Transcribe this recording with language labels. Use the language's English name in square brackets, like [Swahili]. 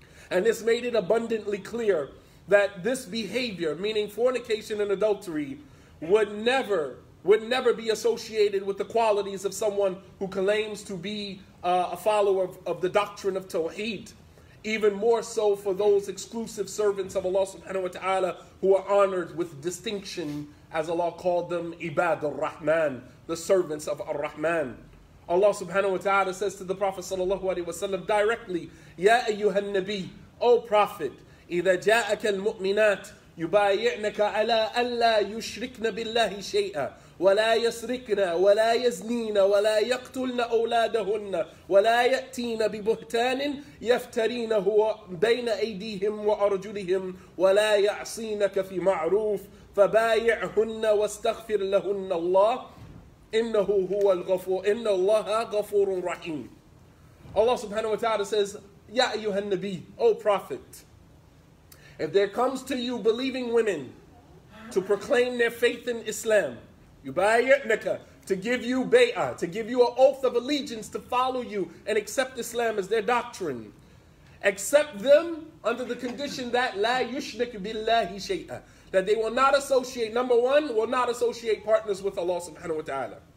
[English] And this made it abundantly clear that this behavior, meaning fornication and adultery, would never be associated with the qualities of someone who claims to be a follower of the doctrine of Tawheed. Even more so for those exclusive servants of Allah subhanahu wa ta'ala who are honored with distinction, as Allah called them, Ibad al-Rahman, the servants of Ar-Rahman. Allah subhanahu wa ta'ala says to the Prophet sallallahu alaihi wasallam directly, [Arabic] Ya ayyuhan nabi, [English] O Prophet, [Arabic] إِذَا جَاءَكَ الْمُؤْمِنَاتِ يُبَايِعْنَكَ عَلَىٰ أَلَّا يُشْرِكْنَ بِاللَّهِ شَيْئًا وَلَا يَسْرِكْنَ وَلَا يَزْنِينَ وَلَا يَقْتُلْنَ أَوْلَادَهُنَّ وَلَا يَأْتِينَ بِبُهْتَانٍ يَفْتَرِينَهُ بَيْنَ أَيْدِيهِمْ وَأَرْجُلِهِمْ وَلَا يَعْصِينَكَ فِي مَعْرُوفٍ فَبَايِعْهُنَّ وَاسْتَغْفِرْ لَهُنَّ اللَّهَ إِنَّهُ هُوَ الْغَفُورُ إِنَّ اللَّهَ غَفُورٌ رَحِيمٌ. [English] Allah subhanahu wa ta'ala says, [Arabic] Ya ayyuhan nabi, [English] O Prophet, if there comes to you believing women to proclaim their faith in Islam, يُبَايِعْنَكَ, to give you bay'ah, to give you an oath of allegiance to follow you and accept Islam as their doctrine, accept them under the condition that [Arabic] لَا يُشْرِكْ بِاللَّهِ شَيْئًا, [English] that they will not associate, number one, will not associate partners with Allah subhanahu wa ta'ala.